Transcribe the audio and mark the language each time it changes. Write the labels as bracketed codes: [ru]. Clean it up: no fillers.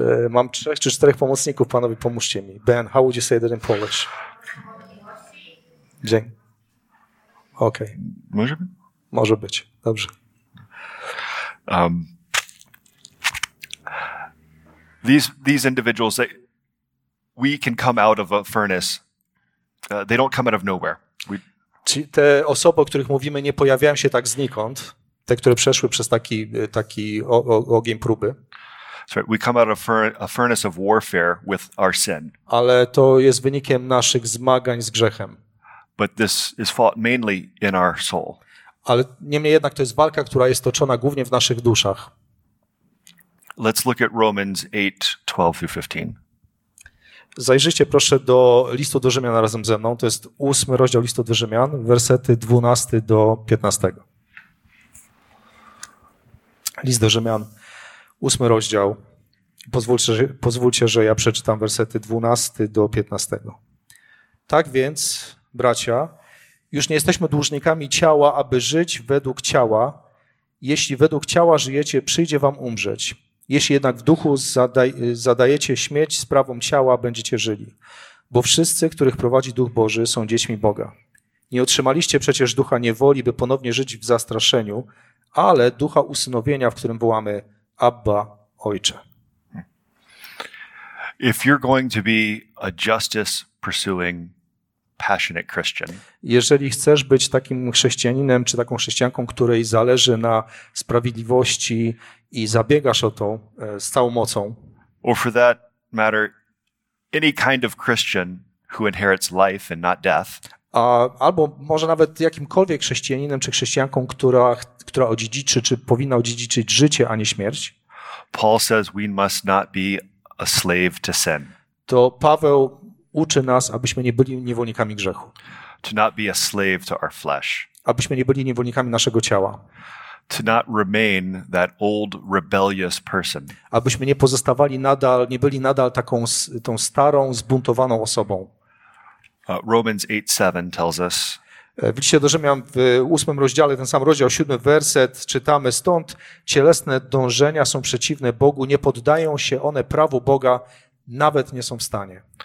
[pl] Mam trzech czy czterech pomocników, panowie, pomóżcie mi. [en] Ben, how would you say that in Polish? [pl] Dzień. Okej. Okay. Może być? Może być. Dobrze. [en] These individuals, we can come out of a furnace. They don't come out of nowhere. [pl] Te osoby, o których mówimy, nie pojawiają się tak znikąd. Te, które przeszły przez taki ogień próby. [en] Sorry, we come out of a furnace of warfare with our sin. [pl] Ale to jest wynikiem naszych zmagań z grzechem. [en] But this is fought mainly in our soul. [pl] Ale niemniej jednak to jest walka, która jest toczona głównie w naszych duszach. [en] Let's look at Romans 8:12-15. [pl] Zajrzyjcie proszę do listu do Rzymian razem ze mną. To jest 8 rozdział listu do Rzymian, wersety 12 do 15. List do Rzymian, 8 rozdział. Pozwólcie, że ja przeczytam wersety 12 do 15. Tak więc, bracia, już nie jesteśmy dłużnikami ciała, aby żyć według ciała. Jeśli według ciała żyjecie, przyjdzie wam umrzeć. Jeśli jednak w duchu zadajecie śmierć sprawom ciała, będziecie żyli. Bo wszyscy, których prowadzi Duch Boży, są dziećmi Boga. Nie otrzymaliście przecież ducha niewoli, by ponownie żyć w zastraszeniu, ale ducha usynowienia, w którym wołamy Abba, Ojcze. [en] If you're going to be a justice-pursuing, passionate Christian, [pl] jeżeli chcesz być takim chrześcijaninem czy taką chrześcijanką, której zależy na sprawiedliwości i zabiegasz o to z całą mocą, [en] or for that matter, any kind of Christian who inherits life and not death, [pl] albo może nawet jakimkolwiek chrześcijaninem czy chrześcijanką, która odziedziczy czy powinna odziedziczyć życie, a nie śmierć. [en] Paul says we must not be a slave to sin. [pl] To Paweł uczy nas, abyśmy nie byli niewolnikami grzechu. [en] To not be a slave to our flesh. [pl] Abyśmy nie byli niewolnikami naszego ciała. [en] To not remain that old rebellious person. [pl] Abyśmy nie pozostawali nadal, nie byli nadal taką tą starą, zbuntowaną osobą. [en] Romans 8:7 tells us. [pl] W liście do Rzymian w 8 rozdziale, ten sam rozdział, 7 werset, czytamy: stąd cielesne dążenia są przeciwne Bogu, nie poddają się one prawu Boga, nawet nie są w stanie.